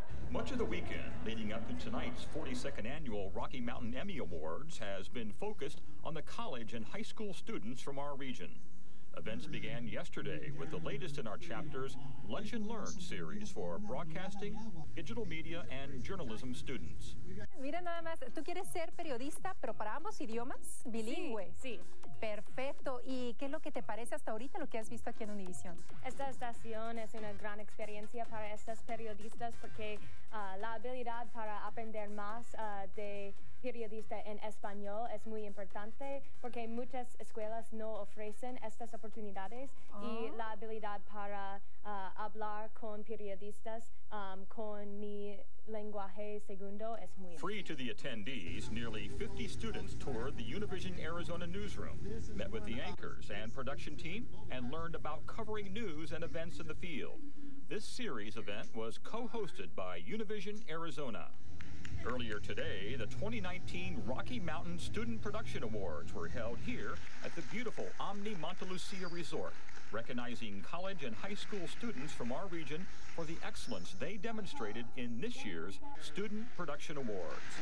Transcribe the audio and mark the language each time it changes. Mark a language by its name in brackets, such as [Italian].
[English] Much of the weekend leading up to tonight's 42nd annual Rocky Mountain Emmy Awards has been focused on the college and high school students from our region. Events began yesterday with the latest in our chapter's Lunch and Learn series for broadcasting, digital media, and journalism students. [Spanish] Mira nada más, tú quieres ser periodista, pero para ambos idiomas, bilingüe. Sí, sí. Perfecto. ¿Y qué es lo que te parece hasta ahorita lo que has visto aquí en Univision? Esta estación es una gran experiencia para estos periodistas porque la habilidad para aprender más de periodista en español es muy importante porque muchas escuelas no ofrecen estas oportunidades y la habilidad para hablar con periodistas con mi lenguaje segundo es muy free importante. [English] To the attendees, nearly 50 students toured the Univision Arizona newsroom, met with the anchors and production team, and learned about covering news and events in the field. This series event was co-hosted by Univision Arizona. Earlier today, the 2019 Rocky Mountain Student Production Awards were held here at the beautiful Omni Monte Lucia Resort, recognizing college and high school students from our region for the excellence they demonstrated in this year's Student Production Awards.